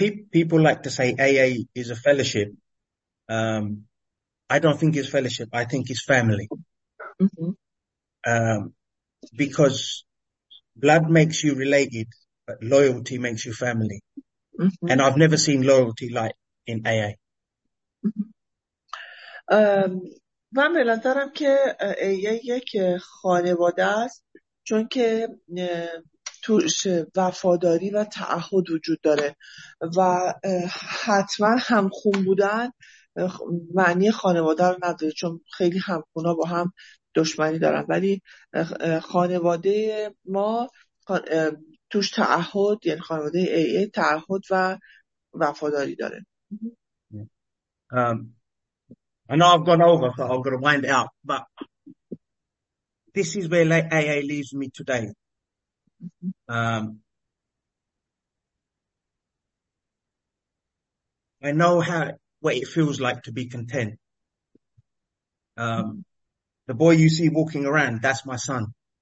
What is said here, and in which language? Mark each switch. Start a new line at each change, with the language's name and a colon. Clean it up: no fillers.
English: People like to say AA is a fellowship. I don't think it's fellowship. I think it's family. Because blood makes you related, but loyalty makes you family. And I've never seen loyalty like in AA.
Persian: من به نظرم که AA یک خانواده است چون که توش وفاداری و تعهد وجود داره و حتما همخون بودن معنی خانواده رو نداره چون خیلی همخونا با هم دشمنی دارن ولی خانواده ما توش تعهد یعنی خانواده AA تعهد و وفاداری داره.
English: I know I've gone over so I'm going to wind it up but this is where like AA leaves me today. I know how what it feels like to be content. The boy you see walking around, that's my son.